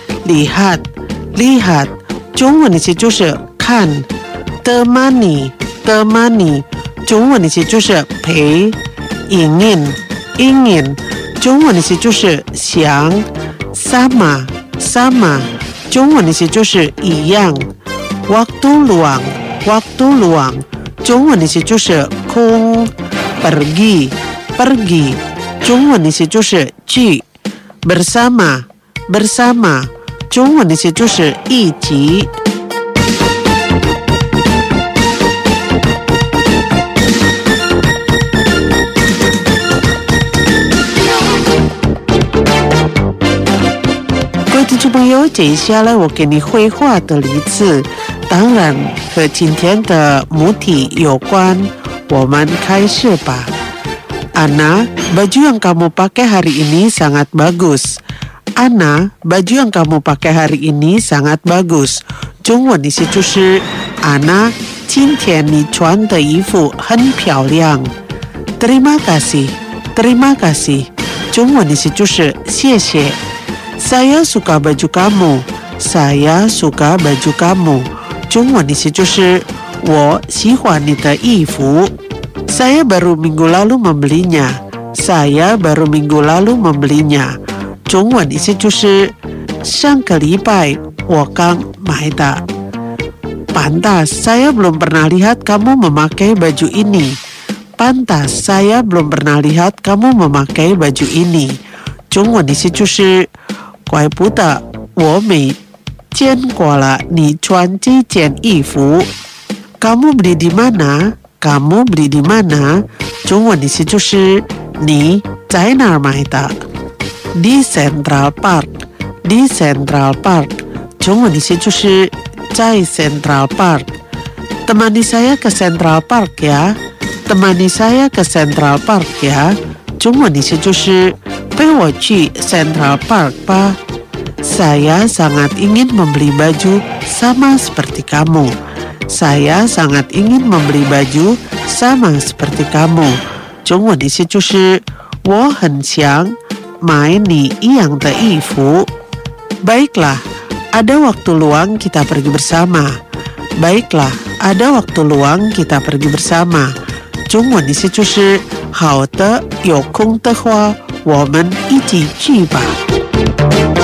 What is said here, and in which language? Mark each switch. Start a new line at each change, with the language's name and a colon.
Indonesian: Lihat， lihat，
Chinese: 中文的词就是看。
Indonesian: Temani， temani，
Chinese: 中文的词就是陪。
Indonesian: Ingin。 ingin
Chinese: 中文的词就是想。
Indonesian: sama sama
Chinese: 中文的词就是一样。
Indonesian: waktu luang waktu luang
Chinese: 中文的词就是空。
Indonesian: pergi pergi
Chinese: 中文的词就是去。
Indonesian: bersama bersama
Chinese: 中文的词就是一起。众朋友，接下来我给你绘画的例子，当然和今天的母体有关。我们开始吧。
Indonesian: Ana, baju yang kamu pakai hari ini sangat bagus. Ana, baju yang kamu pakai hari ini sangat bagus.
Chinese: 中文意思就是 ，Ana， 今天你穿的衣服很漂亮。
Indonesian: Terima kasih, terima kasih.
Chinese: 中文意思就是谢谢。
Indonesian: Saya suka baju kamu, saya suka baju kamu.
Chinese: 中文意思就是我喜欢你的衣服。
Indonesian: Saya baru minggu lalu membelinya. Saya baru minggu lalu membelinya.
Chinese: 中文意思就是上个礼拜我刚买的。
Indonesian: Pantas, saya belum pernah lihat kamu memakai baju ini. Pantas, saya belum pernah lihat kamu memakai baju ini.
Chinese: 中文意思就是怪不得我没见过了你穿这件衣服。
Indonesian: Kamu beli di mana? Kamu beli di mana?
Chinese: 中文意思就是你在哪儿买的？
Indonesian: Di Central Park. Di Central Park.
Chinese: 中文意思就是在 Central Park.
Indonesian: Temani saya ke Central Park ya. Temani saya ke Central Park ya.
Chinese: 中文意思就是陪我去 Central Park 吧。
Indonesian: Saya sangat ingin membeli baju sama seperti kamu. Saya sangat ingin membeli baju sama seperti kamu.
Chinese: 中文意思就是我很想买你一样的衣服。
Indonesian: Baiklah, ada waktu luang kita pergi bersama. Baiklah, ada waktu luang kita pergi bersama.
Chinese: 中文意思就是好的，有空的话我们一起去吧。